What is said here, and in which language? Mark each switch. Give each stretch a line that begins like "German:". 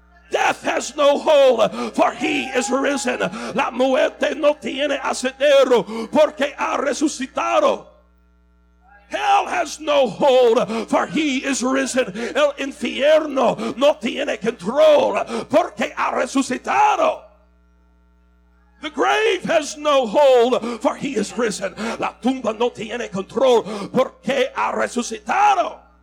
English: Death has no hold, for he is risen.
Spanish: La muerte no tiene asedero, porque ha resucitado.
English: Hell has no hold, for he is risen.
Spanish: El infierno no tiene control, porque ha resucitado.
English: The grave has no hold, for he is risen.
Spanish: La tumba no tiene control, porque ha resucitado.